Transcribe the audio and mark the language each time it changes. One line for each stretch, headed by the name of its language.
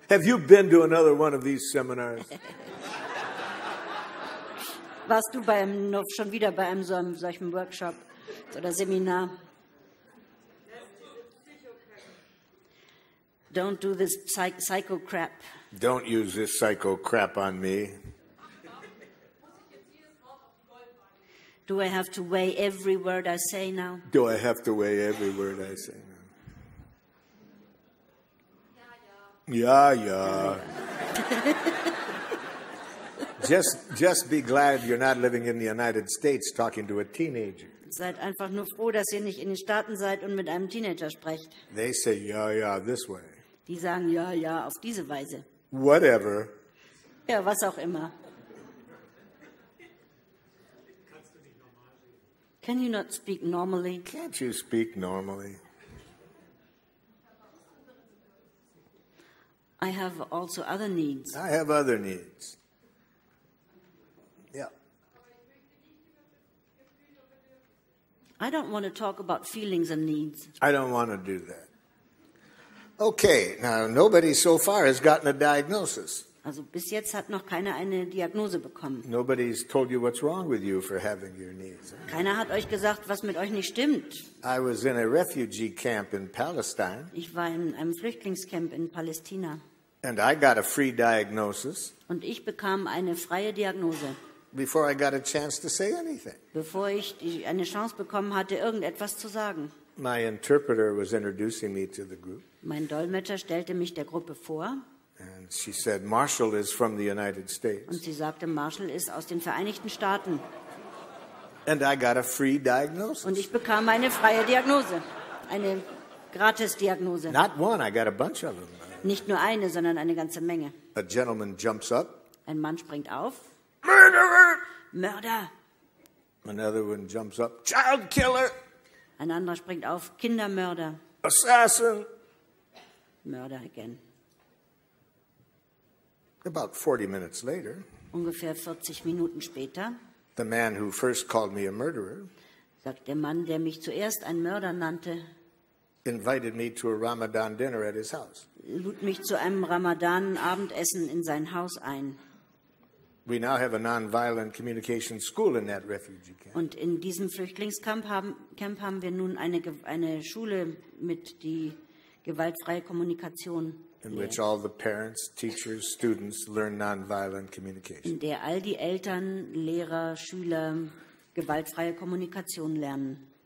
English: Have you been to another one of these seminars?
German: Warst du bei noch schon wieder bei einem solchen Workshop oder Seminar?
English: Don't do this psycho crap. Don't use this psycho crap on me. Do I have to weigh every word I say now? Do I have to weigh every word I say now? Yeah, yeah. just be glad you're not living in the United States talking to a teenager.
German: Seid einfach nur froh, dass ihr nicht in den Staaten seid und mit einem Teenager sprecht.
English: They say yeah, yeah, this way.
German: Die sagen ja, ja, auf diese Weise.
English: Whatever.
German: Ja, was auch immer.
English: Can you not speak normally? Can't you speak normally? I have also other needs. I have other needs. Yeah. I don't want to talk about feelings and needs. I don't want to do that. Okay, now nobody so far has gotten a diagnosis.
German: Also bis jetzt hat noch keiner eine Diagnose bekommen.
English: Nobody's told you what's wrong with you for having your needs.
German: Keiner hat euch gesagt, was mit euch nicht stimmt.
English: I was in a refugee camp in Palestine.
German: Ich war in einem Flüchtlingscamp in Palästina.
English: And I got a free diagnosis.
German: Und ich bekam eine freie Diagnose.
English: before I got a chance to say anything.
German: Bevor ich eine Chance bekommen hatte, irgendetwas zu sagen.
English: My interpreter was introducing me to the group.
German: Mein Dolmetscher stellte mich der Gruppe vor.
English: And she said, Marshall is from the United States.
German: Und sie sagte, Marshall ist aus den Vereinigten Staaten.
English: And I got a free diagnosis.
German: Und ich bekam eine freie Diagnose. Eine Gratis-Diagnose.
English: Not one, I got a bunch of them.
German: Nicht nur eine, sondern eine ganze Menge.
English: A gentleman jumps up.
German: Ein Mann springt auf.
English: Murderer!
German: Mörder!
English: Another one jumps up. Child killer!
German: Ein anderer springt auf. Kindermörder.
English: Assassin!
German: Mörder again.
English: About 40 minutes later.
German: Ungefähr 40 Minuten später.
English: The man who first called me a murderer.
German: Sagt der Mann, der mich zuerst ein Mörder nannte.
English: Invited me to a Ramadan dinner at his house.
German: Lud mich zu einem Ramadan-Abendessen in sein Haus ein.
English: We now have a non-violent communication school in that refugee camp.
German: Und in diesem Flüchtlingscamp haben wir nun eine Schule mit die gewaltfreie Kommunikation.
English: In which all the parents, teachers, students learn non-violent communication.
German: In der all die Eltern, Lehrer, Schüler gewaltfreie Kommunikation lernen.